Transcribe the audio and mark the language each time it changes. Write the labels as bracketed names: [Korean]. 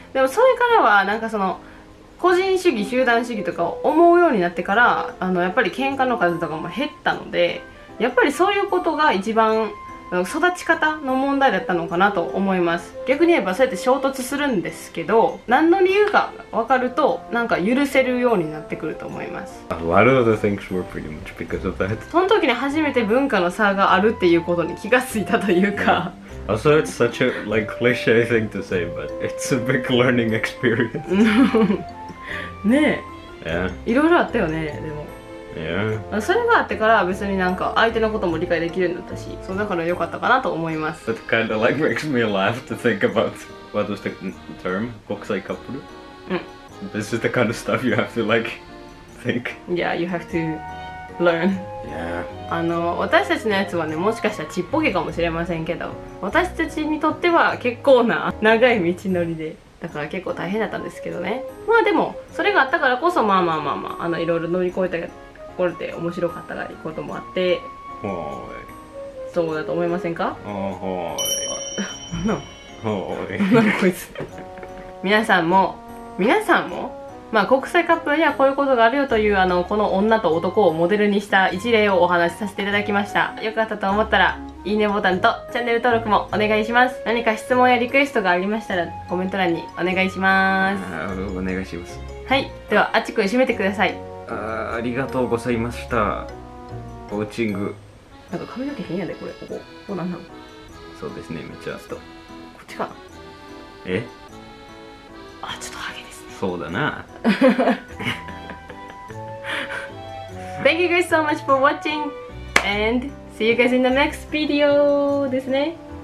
[Japanese] でもそれからはなんかその個人主義集団主義とかを思うようになってから、あのやっぱり喧嘩の数とかも減ったので、やっぱりそういうことが一番育ち方の問題だったのかなと思います。逆に言えばそうやって衝突するんですけど、何の理由か分かるとなんか許せるようになってくると思います。 [English] A lot of the things were pretty much because of that. [Japanese] その時に初めて文化の差があるっていうことに気がついたというか、yeah. [English] Also it's such a like cliche thing to say, but it's a big learning experience. ねえ、 yeah. [Japanese] いろいろあったよね。でも Yeah. それがあってから別になんか相手のことも理解できるんだったし、そうだから良かったかなと思います。 [English] That kind of like makes me laugh to think about what was the term? [Japanese] 国際カップル? [English] This is the kind of stuff you have to like think. Yeah, you have to learn. Yeah. [Japanese] あの私たちのやつはね、もしかしたらちっぽけかもしれませんけど、私たちにとっては結構な長い道のりで、だから結構大変だったんですけどね。まあでもそれがあったからこそ、まあまあまあまあ、あのいろいろ乗り越えたけど、これで面白かったらいいこともあって、はい、そうだと思いませんか。はい、何なのこいつ。皆さんもまあ国際カップルにはこういうことがあるよという、あのこの女と男をモデルにした一例をお話しさせていただきました。よかったと思ったらいいねボタンとチャンネル登録もお願いします。何か質問やリクエストがありましたらコメント欄にお願いします。お願いします。はい、ではあちくん締めてください。ありがとうございました。コーチング、なんか髪の毛変やで、これここなんなの。そうですね、めっちゃちょっとこっちかな。え、あ、ちょっとハゲですね。そうだな。 [English] Thank you guys so much for watching and see you guys in the next video [Japanese] ですね。